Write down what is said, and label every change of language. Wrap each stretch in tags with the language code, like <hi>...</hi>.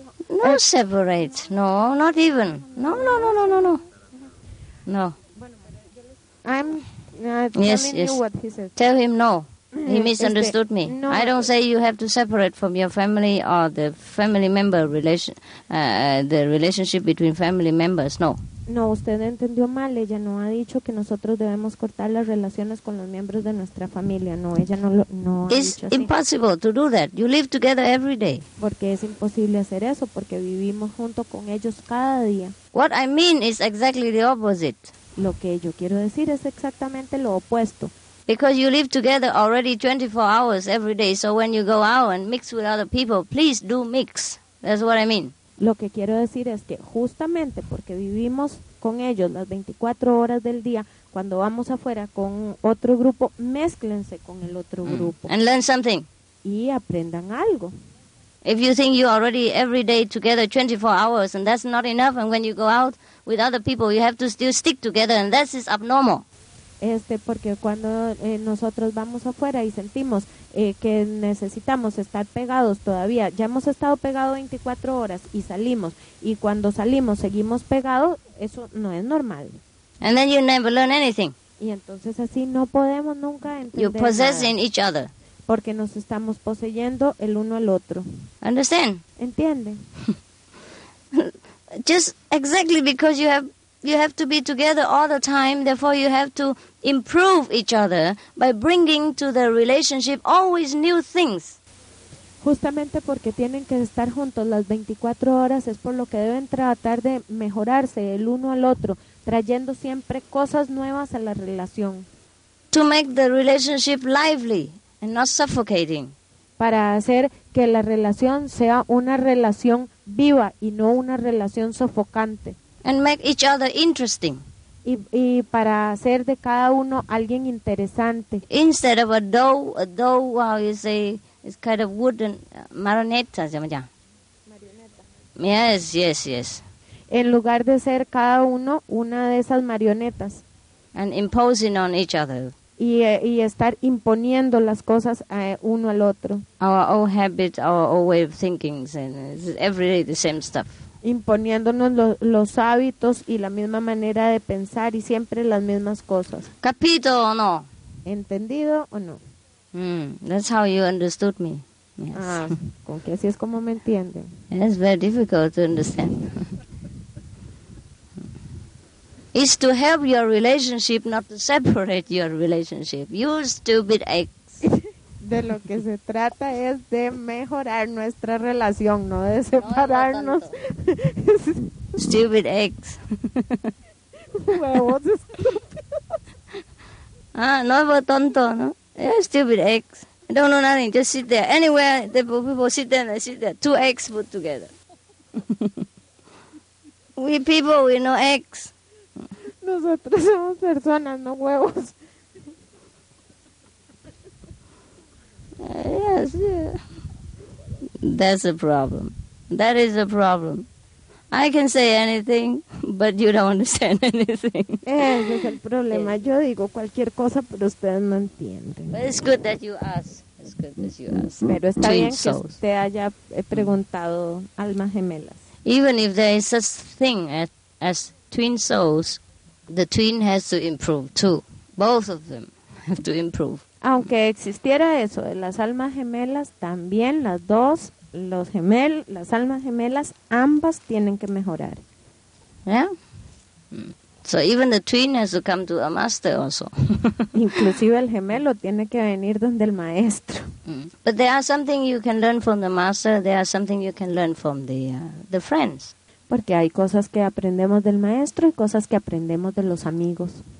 <en>no separate. No, not even. No, no, no, no, no, no. No. I'm telling you what he said. Tell him no. He misunderstood me. No, I don't say you have to separate from your family or the family member the relationship between family members. No.</en> <es>No, usted entendió mal. Ella no ha dicho que nosotros debemos cortar las relaciones con los miembros de nuestra familia. No, ella no ha</es> <en>It's</en> <es>dicho así.</es> <en>Impossible to do that. You live together every day.</en> <es>Porque es imposible hacer eso porque vivimos junto con ellos cada día.</es> <en>What I mean is exactly the opposite.</en> <es>Lo que yo quiero decir es exactamente lo opuesto.</es> <en>Because you live together already 24 hours every day, so when you go out and mix with other people, please do mix. That's what I mean.</en> <es>Lo que quiero decir es que justamente porque vivimos con ellos las 24 horas del día, cuando vamos afuera con otro grupo, mézclense con el otro grupo.</es> <en>And learn something.</en> <es>Y aprendan algo.</es> <en>If you think you're already every day together 24 hours and that's not enough, and when you go out with other people, you have to still stick together, and that is abnormal.</en> <es>Porque cuando nosotros vamos afuera y sentimos que necesitamos estar pegados todavía, ya hemos estado pegados 24 horas y salimos, y cuando salimos seguimos pegados, eso no es normal.</es> <en>And then you never learn anything.</en> <es>Y entonces así no podemos nunca entender.</es> <en>You're possessing nada, each other.</en> <es>Porque nos estamos poseyendo el uno al otro.</es> <en>Understand?</en> <es>¿Entienden?</es> <en>Just exactly because you have to be together all the time, therefore you have to improve each other by bringing to the relationship always new things.</en> <es>Justamente porque tienen que estar juntos las 24 horas, es por lo que deben tratar de mejorarse el uno al otro, trayendo siempre cosas nuevas a la relación.</es> <en>To make the relationship lively and not suffocating.</en> <es>Para hacer que la relación sea una relación viva y no una relación sofocante.</es> <en>And make each other interesting.</en> <es>Y para hacer de cada uno alguien interesante.</es> <en>Instead of a dough, how you say, it's kind of wooden,</en> <es>marioneta, se llama ya. Marioneta.</es> <en>Yes.</en> <es>En lugar de ser cada uno una de esas marionetas.</es> <en>And imposing on each other.</en> <es>Y estar imponiendo las cosas uno al otro.</es> <en>Our old habits, our old way of thinking, and it's every day the same stuff.</en> <es>Imponiéndonos los hábitos y la misma manera de pensar y siempre las mismas cosas.</es> <it>¿Capito o no?</it> <es>¿Entendido o no?</es> <en>That's how you understood me. Yes.</en> <es>Ah, con que así es como me entienden.</es> <en>It's very difficult to understand. It's to help your relationship, not to separate your relationship. You stupid eggs.</en> <es>De lo que se trata es de mejorar nuestra relación, no de separarnos.</es> <en>No, stupid eggs.</en> <es>Huevos estúpidos. Ah, no es tonto, ¿no?</es> <en>Yeah, stupid eggs. I don't know nothing, just sit there. Anywhere, the people sit there and they sit there. Two eggs put together. We people, we know eggs.</en> <es>Nosotros somos personas, no huevos.</es> <en>Yes, yeah. That's a problem. That is a problem. I can say anything, but you don't understand anything.</en> <es>Ese es el problema. Yo digo cualquier cosa, pero ustedes no entienden.</es> <en>But it's good that you ask. It's good that you ask.</en> <es>Pero está bien que usted haya preguntado almas gemelas.</es> <en>Even if there is such thing as twin souls, the twin has to improve too. Both of them have to improve.</en> <es>Aunque existiera eso de las almas gemelas, también las dos, las almas gemelas, ambas tienen que mejorar.</es> <en>Yeah. So even the twin has to come to a master also.</en> <es>Inclusive el gemelo tiene que venir donde el maestro.</es> <en>But there are something you can learn from the master. There are something you can learn from the friends.</en> <es>Porque hay cosas que aprendemos del maestro y cosas que aprendemos de los amigos.</es>